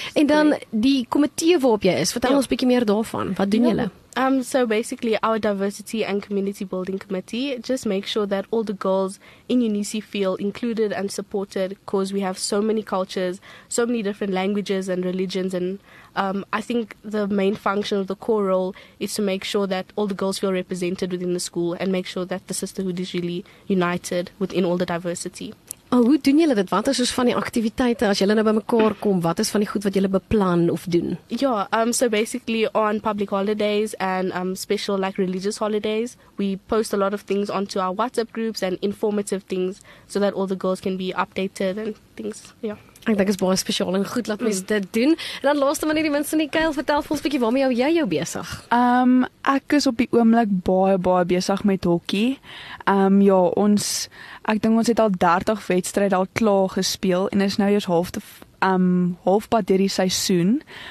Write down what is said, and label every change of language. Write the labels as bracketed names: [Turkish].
[Afrikaans] en dan die komitee waarop jy is, vertel ons bietjie meer daarvan. Wat doen julle? [English] So basically our diversity and community building committee just makes sure that all the girls in Unisi feel included and supported because we have so many cultures, so many different languages and religions, and I think the main function of the core role is to make sure that all the girls feel represented within the school and make sure that the sisterhood is really united within all the diversity. [Afrikaans] Oh, hoe doen julle dit? Wat is soos van die aktiwiteite as julle nou bymekaar kom? Wat is van die goed wat julle beplan of doen? [English] Ja, so basically on public holidays and special like religious holidays, we post a lot of things onto our WhatsApp groups and informative things so that all the girls can be updated and things. [Afrikaans] Ja. Ek dink is baie spesiaal en goed laat mens dit doen. En dan laaste manier die mens in die kuil, vertel ons bietjie waarmee hou jy jou besig? Ek is op die oomblik baie besig met hokkie. Ja, ons het al 30 wedstryde al klaar gespeel en is nou eers halfpad deur die seisoen.